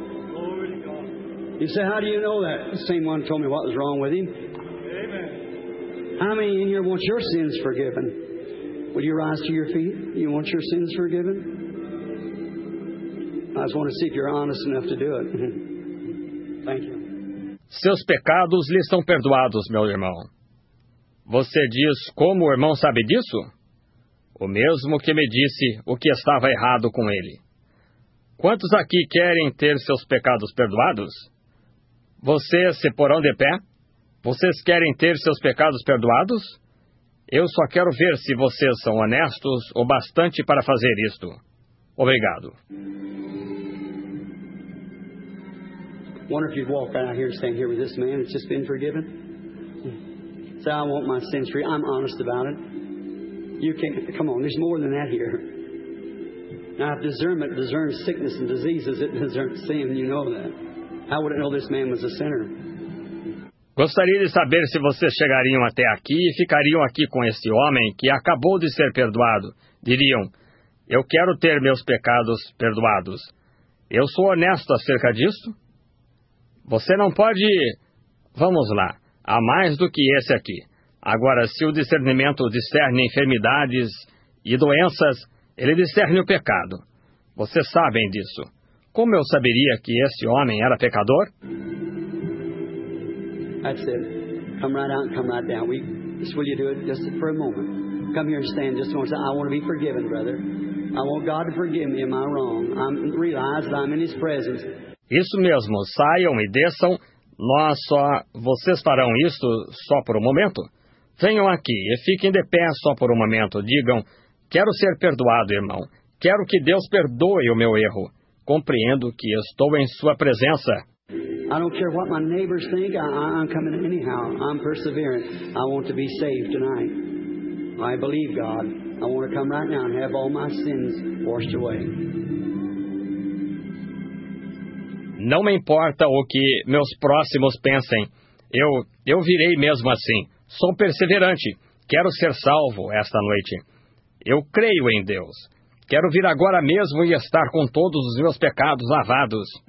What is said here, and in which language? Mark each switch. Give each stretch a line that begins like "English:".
English: Glory to God. You say, how do you know that? The same one told me what was wrong with him. Amen. How many in here want your sins forgiven? Will you rise to your feet? You want your sins forgiven? I just want to see if you're honest enough to do it. Thank you.
Portuguese: Seus pecados lhe são perdoados, meu irmão. Você diz como o irmão sabe disso? O mesmo que me disse o que estava errado com ele. Quantos aqui querem ter seus pecados perdoados? Vocês se porão de pé? Vocês querem ter seus pecados perdoados? Eu só quero ver se vocês são honestos o bastante para fazer isto. Obrigado.
English: Wonder if you'd walk out here staying here with this man that's just been forgiven. Say, I want my sins free. I'm honest about it. You can't. Come on, there's more than that here. Now, if discernment discerns sickness and diseases, it discerns sin. You know that. How would it know this man was a sinner?
Portuguese: Gostaria de saber se vocês chegariam até aqui e ficariam aqui com esse homem que acabou de ser perdoado. Diriam, eu quero ter meus pecados perdoados. Eu sou honesto acerca disso? Você não pode... Vamos lá, há mais do que esse aqui. Agora, se o discernimento discerne enfermidades e doenças, ele discerne o pecado. Vocês sabem disso. Como eu saberia que esse homem era pecador?
English: That's it. Come right out and come right down. Just will you do it just for a moment? Come here and stand just once. I want to be forgiven, brother. I want God to forgive me. Am I wrong? I realize that I'm in His presence.
Portuguese: Isso mesmo. Saiam e desçam. Nós só... Vocês farão isso só por um momento? Venham aqui e fiquem de pé só por um momento. Digam, quero ser perdoado, irmão. Quero que Deus perdoe o meu erro. Compreendo que estou em sua presença.
English: I don't care what my neighbors think. I'm coming anyhow. I'm persevering. I want to be saved tonight. I believe God. I want to come right now and have all my sins washed away.
Portuguese: Não me importa o que meus próximos pensem. Eu virei mesmo assim. Sou perseverante. Quero ser salvo esta noite. Eu creio em Deus. Quero vir agora mesmo e estar com todos os meus pecados lavados.